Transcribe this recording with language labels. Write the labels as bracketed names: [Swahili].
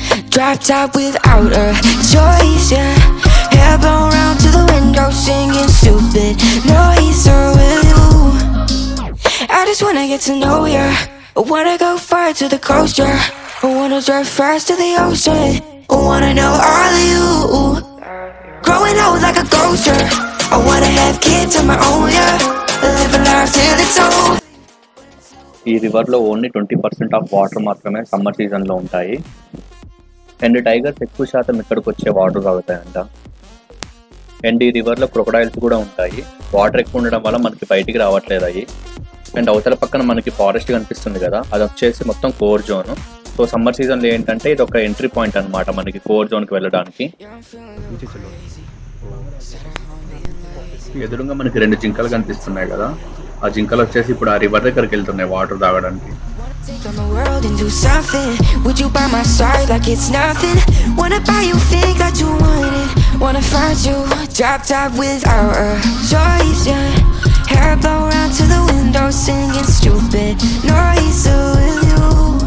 [English] Drop top without a choice, yeah. Hair blown round to the window, singing stupid noise, or will you? I just wanna get to know ya. I wanna go far to the coast, yeah. I wanna drive fast to the ocean. I wanna know all of you. Growing old like a ghost, yeah. I wanna have kids of my own, yeah. Living life till it's old. [Telugu] ఈ river లో only 20% of water మాత్రమే summer season లో ఉంటాయి, and tigers ఎక్కువ శాతం ఇక్కడికి వచ్చే water తాగుతాయంట. And ఈ రివర్ లో క్రొకడైల్స్ కూడా ఉంటాయి. వాటర్ ఎక్కువ ఉండడం వల్ల మనకి బయటికి రావట్లేదు అవి. అండ్ అవతల పక్కన మనకి ఫారెస్ట్ కనిపిస్తుంది కదా, అది వచ్చేసి మొత్తం core zone. So summer season లో ఏంటంటే ఇది ఒక ఎంట్రీ పాయింట్ అన్నమాట మనకి కోర్ జోన్ కి వెళ్ళడానికి. ఎదురుగా మనకి రెండు జింకలు కనిపిస్తున్నాయి కదా, ఆ జింకలు వచ్చేసి ఇప్పుడు ఆ రివర్ దగ్గరికి వెళ్తున్నాయి వాటర్ తాగడానికి. [English] Take on the world and do something. Would you by my side like it's nothing? Wanna buy you things that you wanted. Wanna find you drop top without a choice, yeah. Hair blow round to the window singing stupid noise with you.